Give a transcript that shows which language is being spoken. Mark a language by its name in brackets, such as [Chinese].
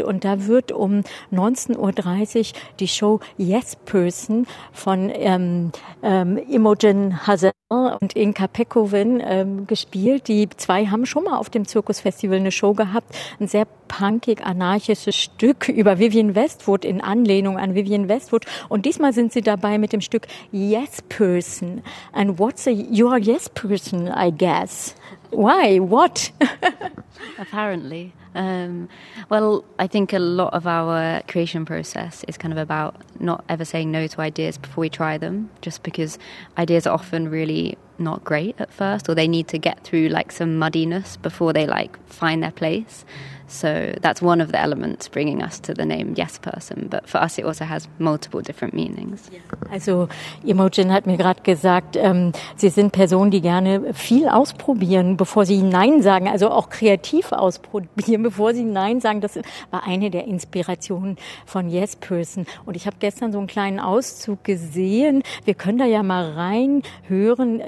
[German] Und da wird um 19.30 Uhr die Show Yes Person von Imogen Hazel und Inka Pekovin gespielt. Die zwei haben schon mal auf dem Zirkusfestival eine Show gehabt. Ein sehr punkig, anarchisches Stück über Vivienne Westwood in Anlehnung an Vivienne Westwood. Und diesmal sind sie dabei mit dem Stück Yes Person. [English] And what's your Yes Person, I guess? Why? What? Apparently. Well, I think a lot of our creation process is kind of about not ever saying no to ideas before we try them, just because ideas are often really not great at first, or they need to get through like some muddiness before they like find their place. So that's one of the elements bringing us to the name Yes Person. But for us, it also has multiple different meanings. [German] Also Imogen hat mir gerade gesagt, sie sind Personen, die gerne viel ausprobieren, bevor sie Nein sagen. Also auch kreativ ausprobieren, bevor sie Nein sagen. Das war eine der Inspirationen von Yes Person. Und ich habe gestern so einen kleinen Auszug gesehen. Wir können da ja mal reinhören.